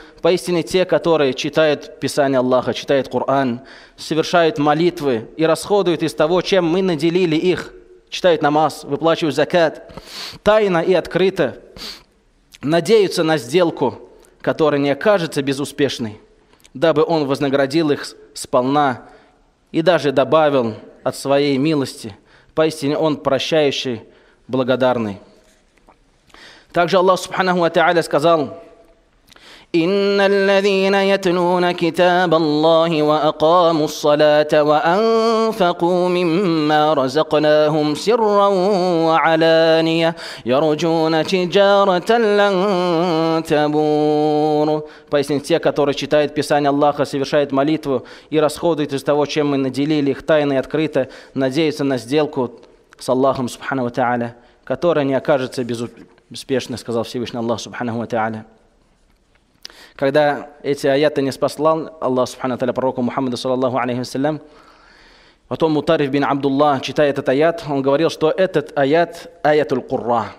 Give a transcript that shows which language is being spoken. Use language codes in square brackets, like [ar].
[ru] Поистине те, которые читают Писание Аллаха, читают Коран, совершают молитвы и расходуют из того, чем мы наделили их, читают намаз, выплачивают закят, тайно и открыто надеются на сделку, которая не окажется безуспешной, дабы он вознаградил их сполна и даже добавил от своей милости. Поистине он прощающий, благодарный. Также Аллах субханаху ва тааля сказал: [ar] إن الذين يتلون كتاب الله وأقاموا الصلاة وأنفقوا مما رزقناهم سرا وعلانية يرجون تجارة لن تبور. [ru] Поясните, те, которые читают Писание Аллаха, совершают молитву и расходуют из того, чем мы наделили их тайно и открыто, надеются на сделку с Аллахом, субхана ва тааля, которая не окажется безуспешной, сказал Всевышний Аллах, субхана ва тааля. Когда эти аяты не спаслал Аллах субхана ва тааля пророку Мухаммаду саллаллаху алейхи ва саллям, потом Мутариф бин Абдуллах, читая этот аят, он говорил, что этот аят – аятуль Курра.